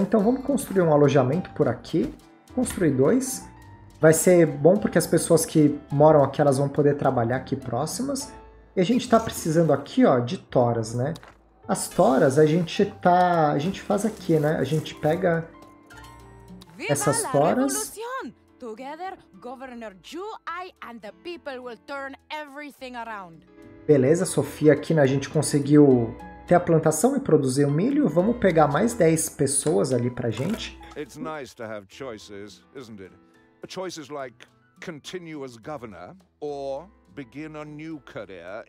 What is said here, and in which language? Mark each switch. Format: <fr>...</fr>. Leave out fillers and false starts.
<pt>Então vamos construir um alojamento por aqui. Construir dois. Vai ser bom porque as pessoas que moram aqui, elas vão poder trabalhar aqui próximas. E a gente tá precisando aqui, ó, de toras, né? As toras a gente faz aqui, né? A gente pega essas toras...</pt> <en>Together, Governor Zhu, I and the people will turn everything around.</en> <pt>Beleza, Sofia, aqui né, a gente conseguiu ter a plantação e produzir o milho. Vamos pegar mais 10 pessoas ali pra gente.</pt> <en>It's nice to have choices, isn't it? Choices like continue as governor or begin a new career.</en>